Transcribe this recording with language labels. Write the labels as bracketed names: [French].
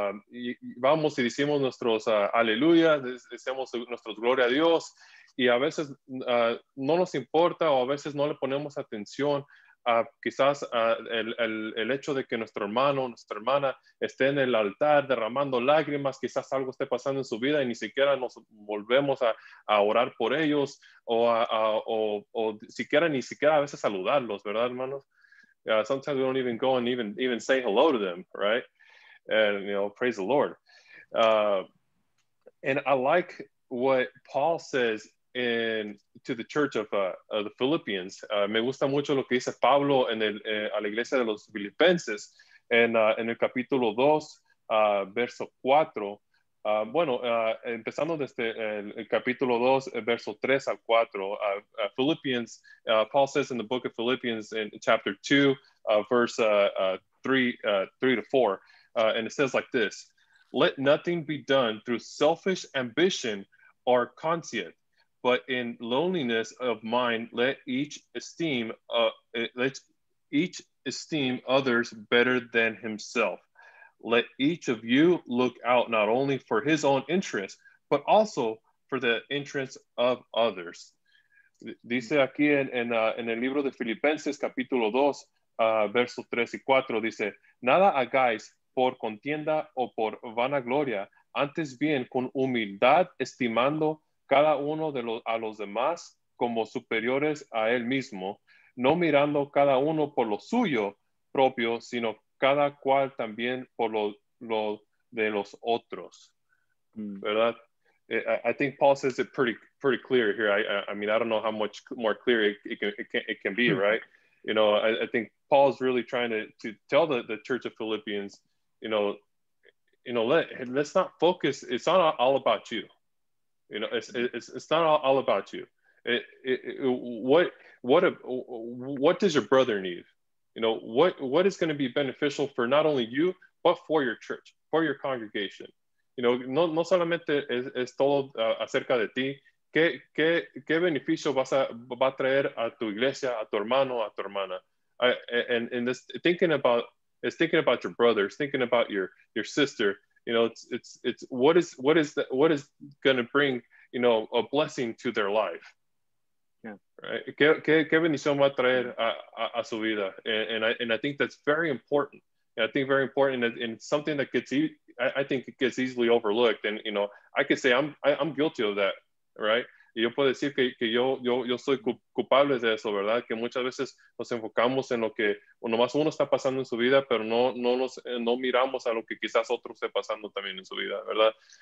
[Spanish] y vamos y decimos nuestros aleluya, decimos nuestros gloria a Dios, y a veces no nos importa o a veces no le ponemos atención a quizás el hecho de que nuestro hermano, nuestra hermana esté en el altar derramando lágrimas, quizás algo esté pasando en su vida y ni siquiera nos volvemos a orar por ellos o ni siquiera a veces saludarlos, ¿verdad, hermanos? [English] Sometimes we don't even go and even say hello to them, right? And, you know, praise the Lord. And I like what Paul says in to the church of the Philippians. [Spanish] Me gusta mucho lo que dice Pablo en el a la iglesia de los Filipenses en el capítulo 2, verso 4. Bueno, empezando desde el capítulo 2, verso 3 al 4, [English] Philippians, Paul says in the book of Philippians in chapter 2, verse 3 to 4, and it says like this: "Let nothing be done through selfish ambition or conceit, but in lowliness of mind, let each esteem others better than himself. Let each of you look out not only for his own interest, but also for the interest of others." [Spanish] Dice aquí en el libro de Filipenses, capítulo 2, verso 3 y 4, dice: "Nada hagáis por contienda o por vanagloria, antes bien con humildad estimando cada uno de los, a los demás como superiores a él mismo, no mirando cada uno por lo suyo propio, sino cada cual también por lo de los otros." ¿Verdad? [English] I think Paul says it pretty clear here. I mean, I don't know how much more clear it can be, right? You know, I think Paul's really trying to tell the Church of Philippians, you know, let's not focus. It's not all about you. You know, it's not all about you. What does your brother need? You know, what is going to be beneficial for not only you, but for your church, for your congregation? You know, [Spanish] no solamente es todo acerca de ti. ¿Qué beneficio va a traer a tu iglesia, a tu hermano, a tu hermana? [English] It's thinking about your brother, it's thinking about your sister. You know, it's what is going to bring, you know, a blessing to their life. Yeah. Right. And I think that's very important. And I think very important, and something that gets easily overlooked. And you know, I could say I'm guilty of that, right? [Spanish] Yo puedo decir que yo soy culpable de eso, ¿verdad? Que muchas veces nos enfocamos en lo que nomás uno está pasando en su vida, pero no miramos a lo que quizás otro esté pasando también en su vida, ¿verdad?